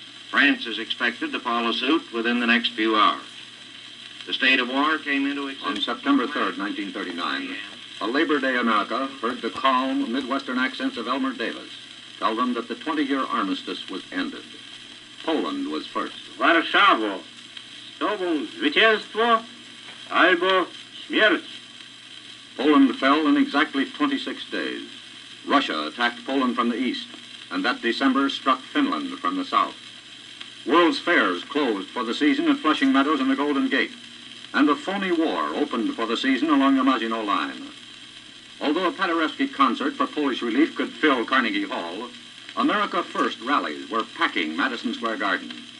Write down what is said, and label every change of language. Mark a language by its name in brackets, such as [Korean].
[English] France is expected to follow suit within the next few hours. The state of war came into existence on September 3rd, 1939. A Labor Day America heard the calm Midwestern accents of Elmer Davis tell them that the 20-year armistice was ended. Poland was first. [Polish] "Warszawo, stową zwycięstwo, albo śmierć." [English] Poland fell in exactly 26 days. Russia attacked Poland from the east, and that December struck Finland from the south. World's fairs closed for the season at Flushing Meadows and the Golden Gate, and a phony war opened for the season along the Maginot Line. Although a Paderewski concert for Polish relief could fill Carnegie Hall, America First rallies were packing Madison Square Garden.